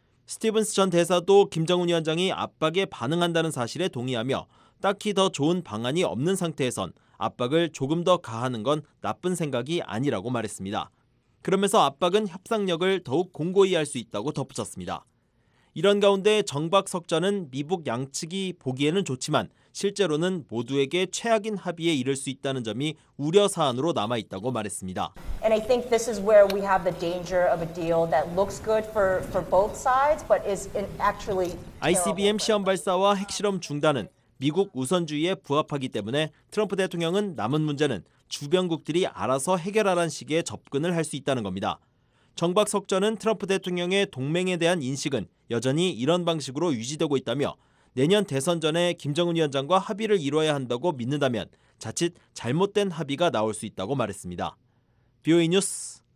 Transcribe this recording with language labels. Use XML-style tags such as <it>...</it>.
<ko>스티븐스 전 대사도 김정은 위원장이 압박에 반응한다는 사실에 동의하며 딱히 더 좋은 방안이 없는 상태에선 압박을 조금 더 가하는 건 나쁜 생각이 아니라고 말했습니다. 그러면서 압박은 협상력을 더욱 공고히 할 수 있다고 덧붙였습니다. 이런 가운데 정박 석좌는 미북 양측이 보기에는 좋지만 실제로는 모두에게 최악인 합의에 이를 수 있다는 점이 우려 사안으로 남아 있다고 말했습니다.</ko> <en>And I think this is where we have the danger of a deal that looks good for both sides but is actually</en> <ko>ICBM 시험 발사와 핵실험 중단은 미국 우선주의에 부합하기 때문에 트럼프 대통령은 남은 문제는 주변국들이 알아서 해결하라는 식의 접근을 할 수 있다는 겁니다. 정박 석좌는 트럼프 대통령의 동맹에 대한 인식은 여전히 이런 방식으로 유지되고 있다며 내년 대선 전에 김정은 위원장과 합의를 이뤄야 한다고 믿는다면 자칫 잘못된 합의가 나올 수 있다고 말했습니다. 뷰이 뉴스</ko>